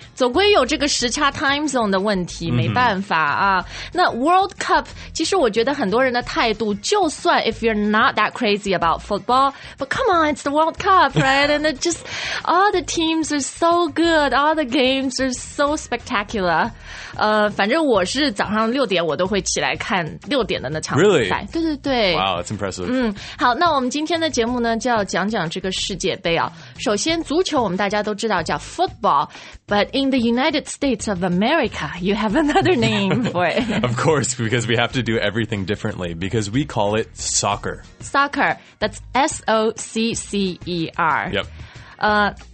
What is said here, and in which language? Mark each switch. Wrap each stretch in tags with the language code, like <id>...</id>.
<zh>总归有这个时差 time zone 的问题，没办法啊。</zh> <en>那 World Cup,</en> <zh>其实我觉得很多人的态度，就算</zh> <en>if you're not that crazy about football, but come on, it's the World Cup, right? And it just, all the teams are so good, all the games are so spectacular.</en> <zh>反正我是早上六点我都会起来看六点的那场比赛。</zh> <en>Really?</en> <zh>对对对。</zh> <en>Wow, that's impressive.</en> <zh>好，那我们今天的节目呢就要讲讲这个世界杯啊。首先足球我们大家都知道叫</zh> <en>football, but in the United States of America, you have another name for it. Of course, because we have to do everything differently, because we call it soccer. Soccer, that's S-O-C-C-E-R. Yep.</en>